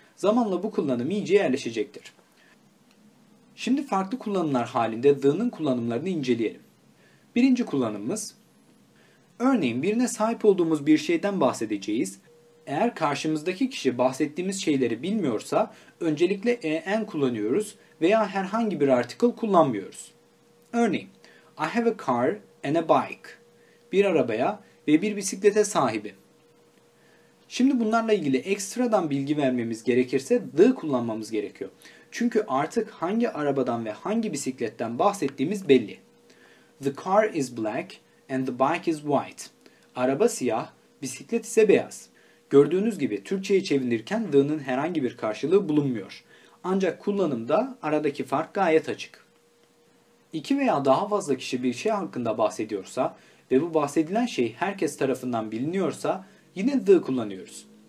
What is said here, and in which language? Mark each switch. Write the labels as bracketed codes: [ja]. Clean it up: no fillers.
[tr] Zamanla bu kullanım iyice yerleşecektir. Şimdi farklı kullanımlar halinde the'nın kullanımlarını inceleyelim. Birinci kullanımımız, örneğin birine sahip olduğumuz bir şeyden bahsedeceğiz. Eğer karşımızdaki kişi bahsettiğimiz şeyleri bilmiyorsa öncelikle an kullanıyoruz veya herhangi bir article kullanmıyoruz. Örneğin, [en] I have a car and a bike. [tr] Bir arabaya ve bir bisiklete sahibim. Şimdi bunlarla ilgili ekstradan bilgi vermemiz gerekirse the kullanmamız gerekiyor. Çünkü artık hangi arabadan ve hangi bisikletten bahsettiğimiz belli. [en] The car is black and the bike is white. [tr] Araba siyah, bisiklet ise beyaz. Gördüğünüz gibi Türkçe'ye çevirirken the'nın herhangi bir karşılığı bulunmuyor. Ancak kullanımda aradaki fark gayet açık. İki veya daha fazla kişi bir şey hakkında bahsediyorsa ve bu bahsedilen şey herkes tarafından biliniyorsa yine the kullanıyoruz.